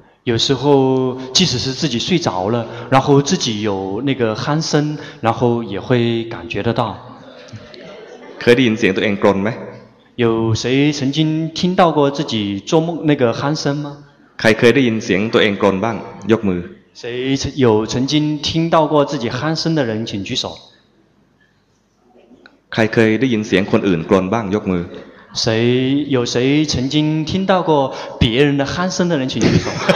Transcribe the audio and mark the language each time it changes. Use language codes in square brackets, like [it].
[zh] 有时候即使是自己睡着了然后自己有那个鼾声然后也会感觉得到 [th] เคยได้ยินเสียงตัวเองกรนไหม [zh] 有谁曾经听到过自己做梦那个鼾声吗 [th] ใครเคยได้ยินเสียงตัวเองกรนบ้างยกมือ [zh] 谁有曾经听到过自己鼾声的人请举手 [th] ใครเคยได้ยินเสียงคนอื่นกรนบ้างยกมือ [zh] 谁有谁曾经听到过别人的鼾声的人请举手